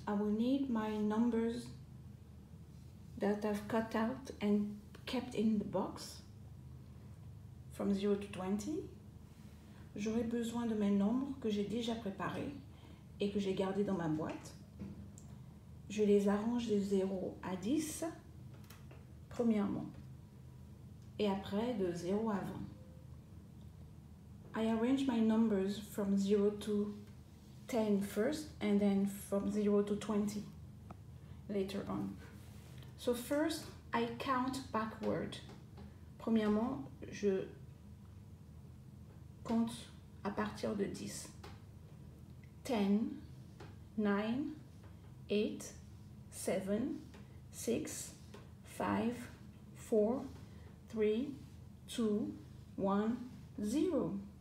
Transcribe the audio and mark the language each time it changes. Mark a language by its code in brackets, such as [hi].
[en] I will need my numbers that I've cut out and kept in the box from 0 to 20. [fr] J'aurai besoin de mes nombres que j'ai déjà préparés et que j'ai gardés dans ma boîte. Je les arrange de 0 à 10, premièrement, et après de 0 à 20. [en] I arrange my numbers from 0 to 10 first, and then from 0 to 20 later on. So first, I count backward. [fr] Premièrement, je compte à partir de 10. 10, 9, 8, 7, 6, 5, 4, 3, 2, 1, 0.